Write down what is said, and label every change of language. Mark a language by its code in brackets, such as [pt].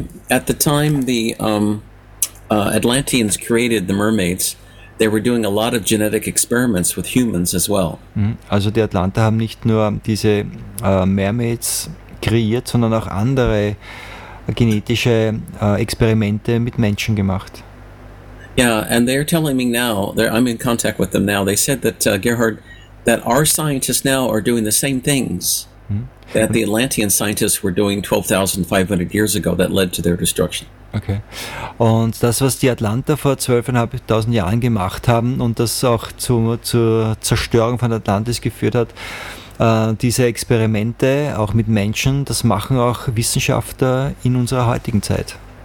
[en] At the time, the Atlanteans created the mermaids. They were doing a lot of genetic experiments with humans as well. [de] Also die Atlanten haben nicht nur diese Mermaids kreiert, sondern auch andere genetische Experimente mit Menschen gemacht. [en] Yeah, and they're telling me now, I'm in contact with them now. They said that Gerhard, that our scientists now are doing the same things that the Atlantean scientists were doing 12,500 years ago that led to their destruction. Okay. [de] Und das, was die Atlanten vor 12,500 Jahren gemacht haben und das auch zur Zerstörung von Atlantis geführt hat, diese Experimente, auch mit Menschen, das machen auch Wissenschaftler in unserer heutigen Zeit.